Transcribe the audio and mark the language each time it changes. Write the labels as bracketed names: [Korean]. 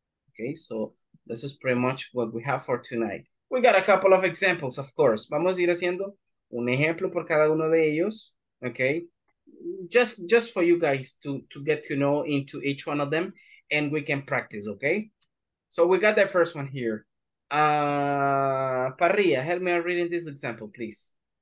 [English] Okay, so this is pretty much what we have for tonight. We got a couple of examples, of course. [Spanish] Vamos a ir haciendo un ejemplo por cada uno de ellos, okay? [English] Just for you guys to get to know into each one of them, and we can practice, okay? So we got that first one here. Parria, help me out reading this example, please.